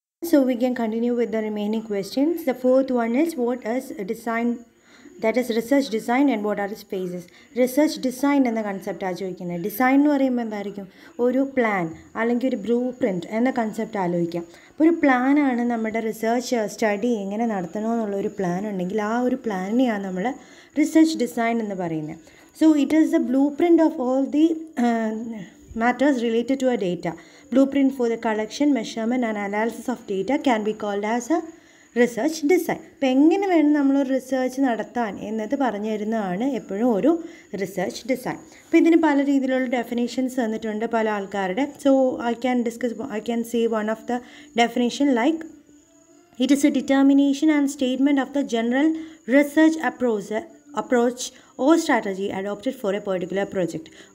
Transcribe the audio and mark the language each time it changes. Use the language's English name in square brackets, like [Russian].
[English] So we can continue with the remaining questions. The fourth one is, what is design, that is research design, and what are its phases? [Malayalam] Research design എന്ന കൺസെപ്റ്റാണ് ചോദിക്കുന്നത്. Design എന്ന് പറയുമ്പോൾ എന്തായിരിക്കും? ഒരു plan അല്ലെങ്കിൽ ഒരു blue print എന്ന concept ആലോചിക്കാം. അപ്പോൾ ഒരു പ്ലാനാണ് നമ്മുടെ റിസർച്ച് സ്റ്റഡി എങ്ങനെ നടത്തണമെന്നുള്ള ഒരു പ്ലാൻ ഉണ്ടെങ്കിൽ ആ ഒരു പ്ലാനിനെയാണ് നമ്മൾ റിസർച്ച് ഡിസൈൻ എന്ന് പറയുന്നത്. [English] So it is the blueprint of all the matters related to a data. Blueprint for the collection, measurement and analysis of data can be called as a research design. [Malayalam] അപ്പോൾ എങ്ങനെ വേണം നമ്മൾ research നടത്താൻ എന്നത് പറഞ്ഞു തരുന്നതാണ് എപ്പോഴും ഒരു റിസർച്ച് ഡിസൈൻ. അപ്പോൾ ഇതിന് പല രീതിയിലുള്ള ഡെഫിനേഷൻസ് തന്നിട്ടുണ്ട് പല ആൾക്കാരുടെ. [English] So I can see one of the definition like, it is a determination and statement of the general research approach or strategy adopted for a particular project.